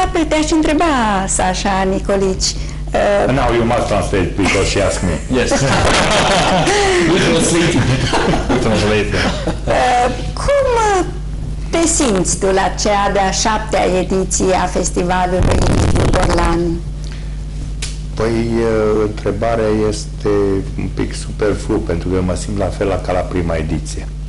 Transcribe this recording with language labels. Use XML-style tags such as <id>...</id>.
<ro>Te-aș întreba, Sasha Nicolici.</ro> <en>Now you must translate because she asked me. Yes. We translate.</en> <ro>Cum te simți tu la cea de-a șaptea ediție a festivalului Liviu Borlan? Păi, întrebarea este un pic superflu, pentru că mă simt la fel ca la prima ediție.</ro>